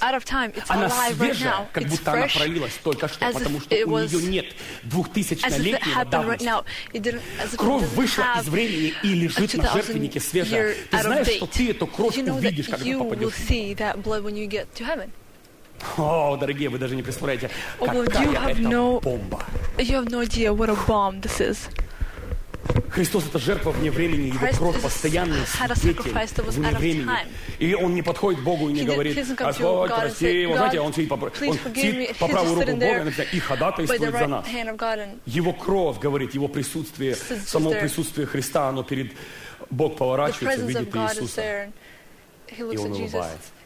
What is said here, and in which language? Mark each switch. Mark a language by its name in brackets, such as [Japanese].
[Russian] Она свежая, как будто она пролилась только что, потому что у нее нет 2000-летнего давности. Кровь вышла из времени и лежит на жертвеннике свежая. Ты знаешь, что ты эту кровь увидишь, когда попадешь в небо? О, дорогие, вы даже не представляете, какая это бомба. [English] You have no idea what a bomb this is. [Russian] Христос — это жертва вне времени, его кровь — постоянный свидетель вне времени. И он не подходит Богу и не говорит: «Господь, прости его». Знаете, он сидит по правую руку Бога и ходатайствует за нас. Его кровь, говорит, его присутствие, само присутствие Христа, оно перед Бог поворачивается, видит Иисуса, и он улыбается.